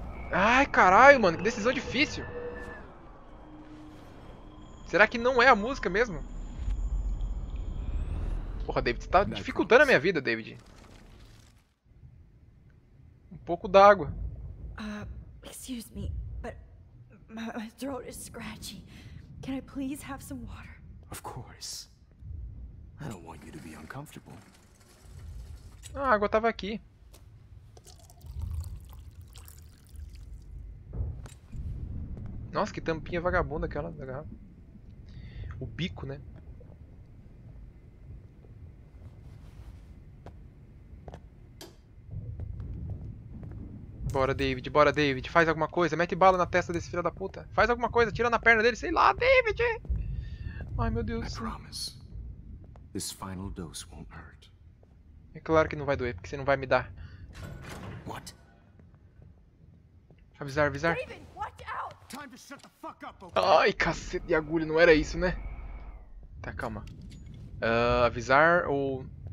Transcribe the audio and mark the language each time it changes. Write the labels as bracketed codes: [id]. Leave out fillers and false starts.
[pt] Ai, caralho, mano, que decisão difícil. Será que não é a música mesmo? Porra, David, você tá dificultando a minha vida, David. Um pouco d'água. [en] Excuse me, but my throat is scratchy. Can I please have some water? Of course. I don't want you to be uncomfortable. [pt] A água tava aqui. Nossa, que tampinha vagabunda aquela da garrafa. O bico, né? Bora, David, faz alguma coisa. Mete bala na testa desse filho da puta. Faz alguma coisa, tira na perna dele, sei lá, David! Ai, meu Deus. [en] I promise, this final dose won't hurt. [pt] É claro que não vai doer, porque você não vai me dar. [en] What? [pt] Avisar. [en] David, watch out! [pt] Ai, cacete de agulha, não era isso, né? Tá, calma. Avisar ou...